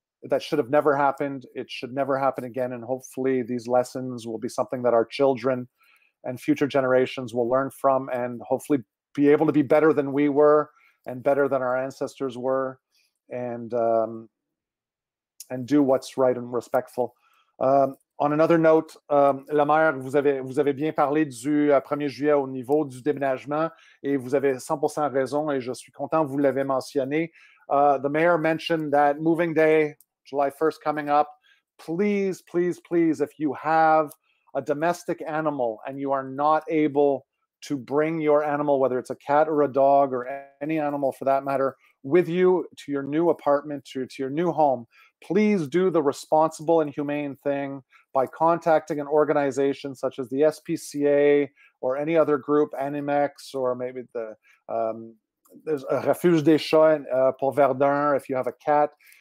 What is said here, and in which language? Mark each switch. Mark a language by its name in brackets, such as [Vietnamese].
[English] That should have never happened. It should never happen again. And hopefully these lessons will be something that our children and future generations will learn from and hopefully be able to be better than we were and better than our ancestors were and do what's right and respectful. On another note, [French] la maire, vous avez bien parlé du 1er juillet au niveau du déménagement et vous avez 100% raison et je suis content que vous l'avez mentionné. [English] The mayor mentioned that moving day, July 1st coming up, please, please, please, if you have a domestic animal and you are not able to bring your animal, whether it's a cat or a dog or any animal for that matter, with you to your new apartment, to your new home, please do the responsible and humane thing by contacting an organization such as the SPCA or any other group, Animex, or maybe the there's a Refuge des Chats pour Verdun, if you have a cat.